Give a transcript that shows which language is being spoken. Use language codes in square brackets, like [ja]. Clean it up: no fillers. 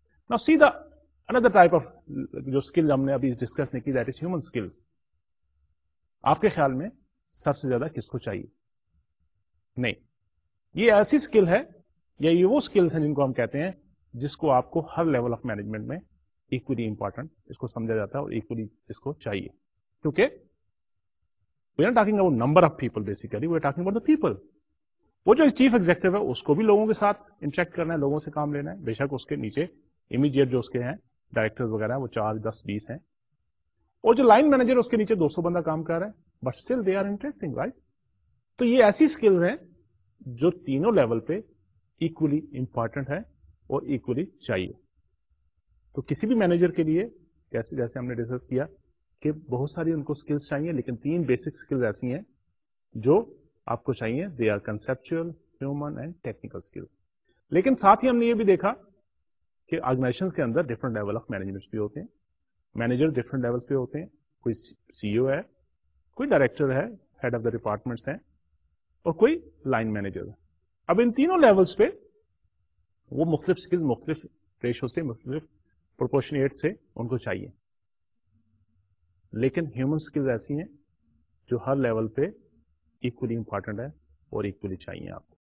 [ur] نا سی دا اندر type of جو skill ہم نے ابھی ڈسکس نہیں کی, [en] That is human skills. [ur] آپ کے خیال میں سب سے زیادہ کس کو چاہیے؟ نہیں, یہ ایسی اسکل ہے یا یہ وہ اسکلس ہیں جن کو ہم کہتے ہیں جس کو آپ کو ہر لیول آف مینجمنٹ میں ایکولی امپورٹنٹ اس کو سمجھا جاتا ہے اور ایکولی اس کو چاہیے. [en] کیونکہ we are talking about number of people, basically we are talking about the people. [ur] وہ جو چیف ایگزیکٹو ہے اس کو بھی لوگوں کے ساتھ انٹریکٹ کرنا ہے, لوگوں سے کام لینا ہے. بے شک اس کے نیچے امیڈیٹ جو اس کے ہیں ڈائریکٹر وغیرہ وہ 4, 10, 20 ہیں, اور جو لائن مینیجر اس کے نیچے 200 بندہ کام کر رہا ہے, [en] But still they are interacting, right? [ur] تو یہ ایسی اسکل ہیں جو تینوں لیول پہ ایکولی امپورٹنٹ ہے اور ایکولی چاہیے. تو کسی بھی مینیجر کے لیے جیسے ہم نے ڈسکس کیا کہ بہت ساری ان کو اسکلس چاہیے, لیکن تین بیسک اسکلز ایسی ہیں جو آپ کو چاہیے. [en] They are conceptual, human and technical skills. [ur] لیکن ساتھ ہی ہم نے یہ بھی دیکھا کہ آرگنائزیشن کے اندر ڈفرنٹ لیول آف مینجمنٹ بھی ہوتے ہیں, مینیجر ڈفرنٹ لیول پہ ہوتے ہیں, کوئی سی او ہے, کوئی ڈائریکٹر ہے, ہیڈ آف دا ڈپارٹمنٹس ہیں, اور کوئی لائن مینیجر. اب ان تینوں لیولس پہ وہ مختلف اسکلز مختلف ریشو سے مختلف پروپورشنیٹ سے ان کو چاہیے, لیکن ہیومن اسکلز ایسی ہیں جو ہر لیول پہ ایکولی امپورٹنٹ ہے اور ایکولی چاہیے آپ کو.